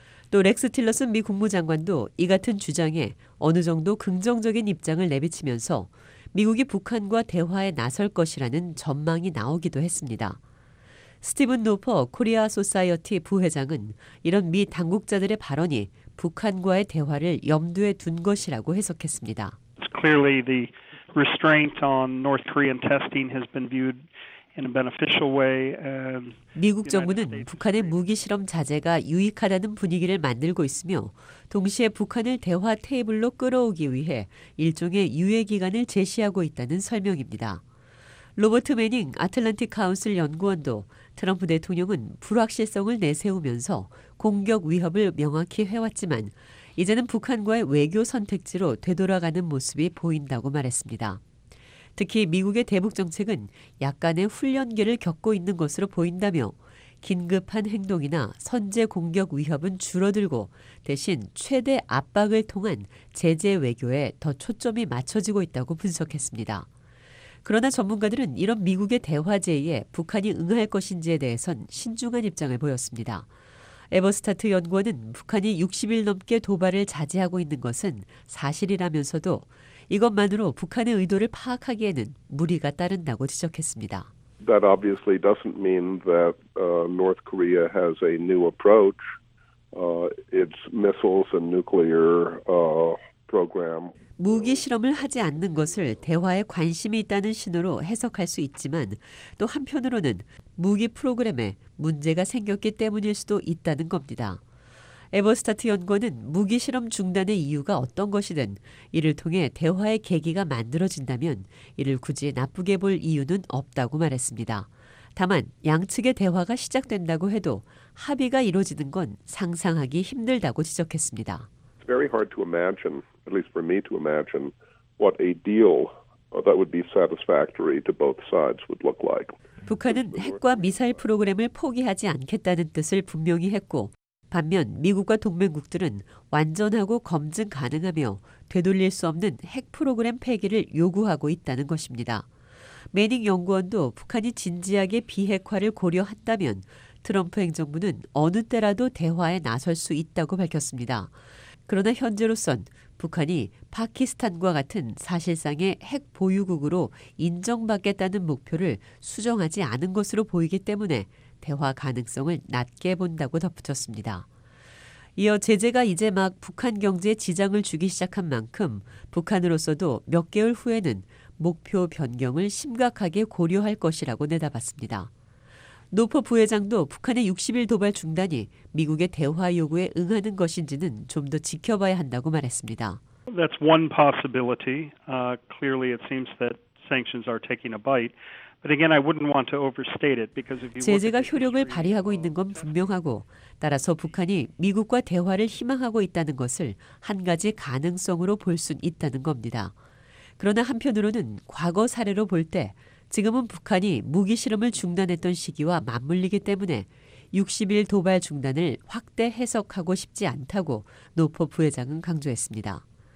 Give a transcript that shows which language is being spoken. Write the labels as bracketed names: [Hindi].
[Korean] 또 렉스 틸러슨 미 국무장관도 이 같은 주장에 어느 정도 긍정적인 입장을 내비치면서 미국이 북한과 대화에 나설 것이라는 전망이 나오기도 했습니다. 스티븐 노퍼 코리아 소사이어티 부회장은 이런 미 당국자들의 발언이 북한과의 대화를 염두에 둔 것이라고 해석했습니다. [English] It's clearly the restraint on North Korean testing has been viewed in a beneficial way. [Korean] 미국 정부는 북한의 무기 실험 자제가 유익하다는 분위기를 만들고 있으며 동시에 북한을 대화 테이블로 끌어오기 위해 일종의 유예 기간을 제시하고 있다는 설명입니다. 로버트 매닝 아틀란틱 카운슬 연구원도 트럼프 대통령은 불확실성을 내세우면서 공격 위협을 명확히 해왔지만 이제는 북한과의 외교 선택지로 되돌아가는 모습이 보인다고 말했습니다. 특히 미국의 대북 정책은 약간의 훈련기를 겪고 있는 것으로 보인다며 긴급한 행동이나 선제 공격 위협은 줄어들고 대신 최대 압박을 통한 제재 외교에 더 초점이 맞춰지고 있다고 분석했습니다. 그러나 전문가들은 이런 미국의 대화 제의에 북한이 응할 것인지에 대해선 신중한 입장을 보였습니다. 에버스타트 연구원은 북한이 60일 넘게 도발을 자제하고 있는 것은 사실이라면서도 이것만으로 북한의 의도를 파악하기에는 무리가 따른다고 지적했습니다. [English] That obviously doesn't mean that North Korea has a new approach its missiles and nuclear program. [Korean] 무기 실험을 하지 않는 것을 대화에 관심이 있다는 신호로 해석할 수 있지만 또 한편으로는 무기 프로그램에 문제가 생겼기 때문일 수도 있다는 겁니다. 에버스타트 연구원은 무기 실험 중단의 이유가 어떤 것이든 이를 통해 대화의 계기가 만들어진다면 이를 굳이 나쁘게 볼 이유는 없다고 말했습니다. 다만 양측의 대화가 시작된다고 해도 합의가 이루어지는 건 상상하기 힘들다고 지적했습니다. [English] It's very hard to imagine, at least for me to imagine, what a deal that would be satisfactory to both sides would look like. [Korean] 북한은 핵과 미사일 프로그램을 포기하지 않겠다는 뜻을 분명히 했고 반면 미국과 동맹국들은 완전하고 검증 가능하며 되돌릴 수 없는 핵 프로그램 폐기를 요구하고 있다는 것입니다. 매닝 연구원도 북한이 진지하게 비핵화를 고려한다면 트럼프 행정부는 어느 때라도 대화에 나설 수 있다고 밝혔습니다. 그러나 현재로선 북한이 파키스탄과 같은 사실상의 핵 보유국으로 인정받겠다는 목표를 수정하지 않은 것으로 보이기 때문에 대화 가능성을 낮게 본다고 덧붙였습니다. 이어 제재가 이제 막 북한 경제에 지장을 주기 시작한 만큼 북한으로서도 몇 개월 후에는 목표 변경을 심각하게 고려할 것이라고 내다봤습니다. 노퍼 부회장도 북한의 60일 도발 중단이 미국의 대화 요구에 응하는 것인지는 좀 더 지켜봐야 한다고 말했습니다. [English] That's one possibility. Clearly it seems that sanctions are taking a bite. But again, I wouldn't want to overstate it because if you [Korean] 제재가 효력을 발휘하고 있는 건 분명하고 따라서 북한이 미국과 대화를 희망하고 있다는 것을 한 가지 가능성으로 볼 수 있다는 겁니다. 그러나 한편으로는 과거 사례로 볼 때 지금은 북한이 무기 실험을 중단했던 시기와 맞물리기 때문에 60일 도발 중단을 확대 해석하고 싶지 않다고 노퍼 부회장은 강조했습니다.